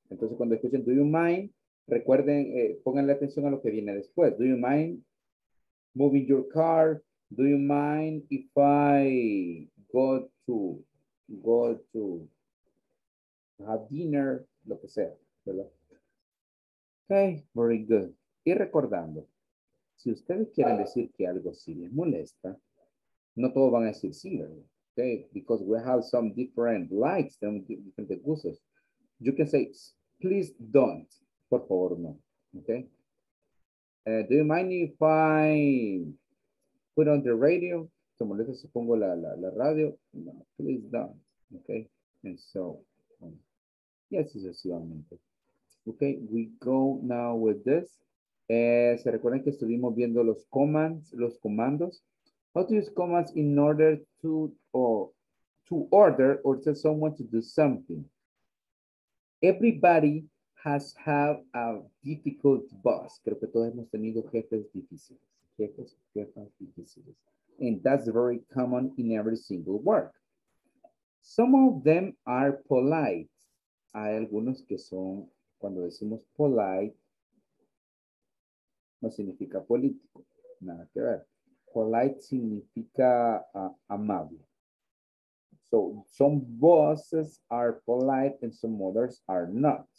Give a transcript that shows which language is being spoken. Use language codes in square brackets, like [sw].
[es] Entonces, cuando escuchen [en] do you mind, [es] recuerden, pónganle atención a lo que viene después. [en] Do you mind moving your car? Do you mind if I go to have dinner? [es] Lo que sea, ¿verdad? [en] Okay, very good. [es] Y recordando, si ustedes quieren decir que algo sí les molesta, no todos van a decir sí, ¿verdad? [en] Okay, because we have some different likes, some different gustos. You can say, please don't. [es] Por favor, no. [en] Okay. Do you mind if I put on the radio? [es] ¿Te molesta si pongo la radio? [en] No, please don't. Okay. And so, yes, sucesivamente. Okay, we go now with this. [es] Se recuerdan que estuvimos viendo los comandos. [en] How to use commands in order to order or tell someone to do something. Everybody has had a difficult boss. [es] Creo que todos hemos tenido jefes difíciles. Jefes difíciles. [en] And that's very common in every single work. Some of them are polite. [es] Hay algunos que son, cuando decimos polite, no significa político. Nada que ver. Polite significa amable. [en] So, some bosses are polite and some others are not.